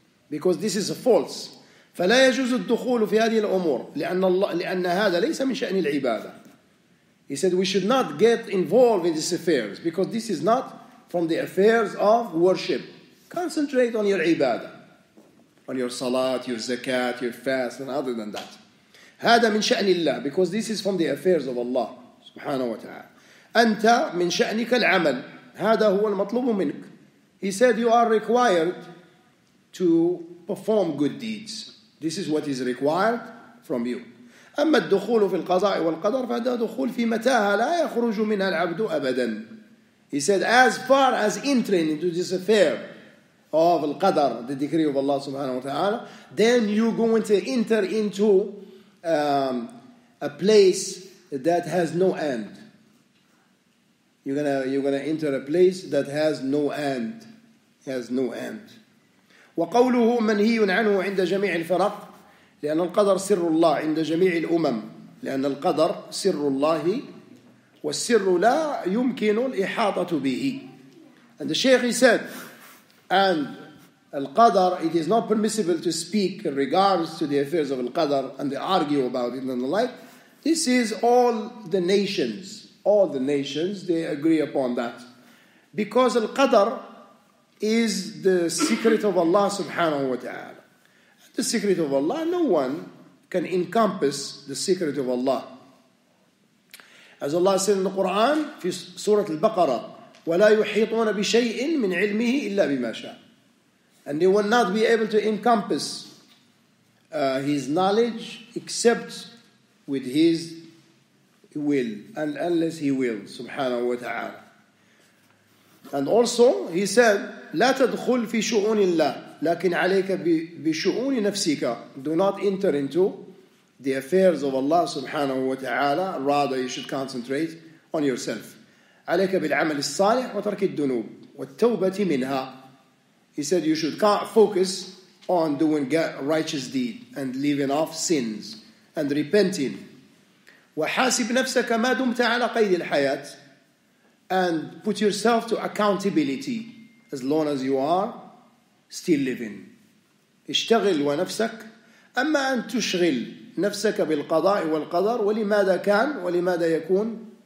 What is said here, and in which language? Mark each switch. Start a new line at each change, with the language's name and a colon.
English: Because this is a false.
Arabic: فَلَا يَجُوزُ الدُّخُولُ فِي هَذِهِ الْأُمُورِ لِأَنَّ هَذَا لَيْسَ مِنْ شَأْنِ الْعِبَادَةِ.
English: He said, we should not get involved in these affairs because this is not from the affairs of worship. Concentrate on your ibadah, on your salat, your zakat, your fast, and other than that.
Arabic: هذا من شأن الله,
English: because this is from the affairs of Allah
Arabic: سبحانه وتعالى. أنت من شأنك العمل, هذا هو المطلوب منك.
English: He said, you are required to perform good deeds. This is what is required from you.
Arabic: أما الدخول في القضاء والقدر فهذا دخول في متاهة لا يخرج منها العبد أبدا.
English: He said, as far as entering into this affair of القدر, the decree of Allah
Arabic: سبحانه وتعالى,
English: then you going to enter into a place that has no end. You're gonna enter a place that has no end. Has no end.
Arabic: وقوله منهي عنه عند جميع الفرق لأن القدر سر الله عند جميع الأمم لأن القدر سر الله والسر لا يمكن الإحاطة به.
English: And the Shaykh, he said, and Al-Qadr, it is not permissible to speak in regards to the affairs of Al-Qadr and they argue about it and the like. This is all the nations, they agree upon that. Because Al-Qadr is the secret of Allah subhanahu wa ta'ala. The secret of Allah, no one can encompass the secret of Allah. As Allah said in the Quran, في Surah Al-Baqarah,
Arabic: وَلَا يُحِيطُونَ بِشَيْءٍ مِنْ عِلْمِهِ إِلَّا بِمَا شَاءَ.
English: And they will not be able to encompass his knowledge except with his will, and unless he will, subhanahu wa ta'ala. And also, he said,
Arabic: لا تدخل في شؤون الله لكن عليك بشؤون نفسك.
English: Do not enter into the affairs of Allah, subhanahu wa ta'ala. Rather, you should concentrate on yourself.
Arabic: عليك بالعمل الصالح وترك الدنوب والتوبة منها.
English: He said, you should focus on doing righteous deed and leaving off sins and repenting.
Arabic: وَحَاسِبْ نَفْسَكَ مَا دُمْتَ عَلَى قَيْدِ الْحَيَاةِ.
English: And put yourself to accountability as long as you are still living.
Arabic: اشتغل ونفسك أما أن تشغل نفسك بالقضاء والقدر ولماذا كان ولماذا يكون.